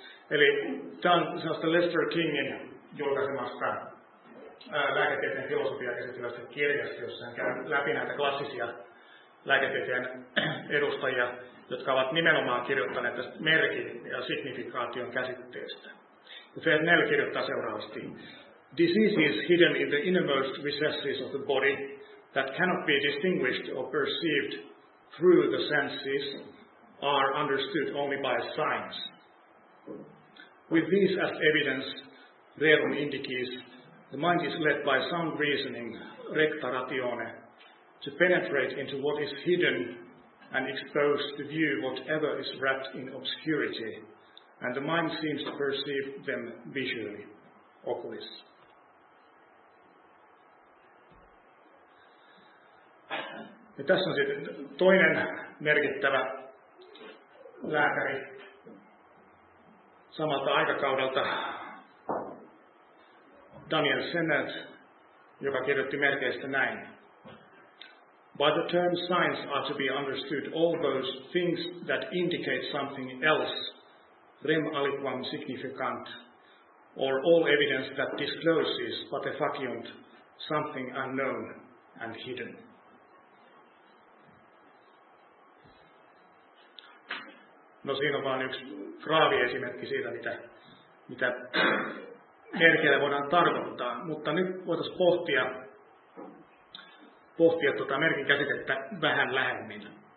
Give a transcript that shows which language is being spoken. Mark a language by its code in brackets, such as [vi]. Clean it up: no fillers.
[fi] Eli tämä on sellaista Lester Kingin julkaisemasta lääketieteen filosofiaa käsittelevästä kirjasta, jossa hän käy läpi näitä klassisia lääketieteen edustajia, jotka ovat nimenomaan kirjoittaneet tästä merkin ja signifikaation käsitteestä. Fresnel kirjoittaa seuraavasti: [en] "Disease is hidden in the innermost recesses of the body that cannot be distinguished or perceived through the senses are understood only by signs. With these as evidence, Rerum indicates the mind is led by sound reasoning, [la] recta ratione, [en] to penetrate into what is hidden and exposed to view whatever is wrapped in obscurity, and the mind seems to perceive them visually, oculis. [fi] Ja tässä on sitten toinen merkittävä lääkäri samalta aikakaudelta, Daniel Sennett, joka kirjoitti merkeistä näin. [en] By the term signs are to be understood all those things that indicate something else, [la] rem aliquam significant, [en] or all evidence that discloses patefaciunt, something unknown and hidden. [fi] No siinä on vaan yksi graavi esimerkki siitä, mitä merkeillä voidaan tarkoittaa. Mutta nyt voitaisiin pohtia tuota merkin käsitettä vähän lähemmin.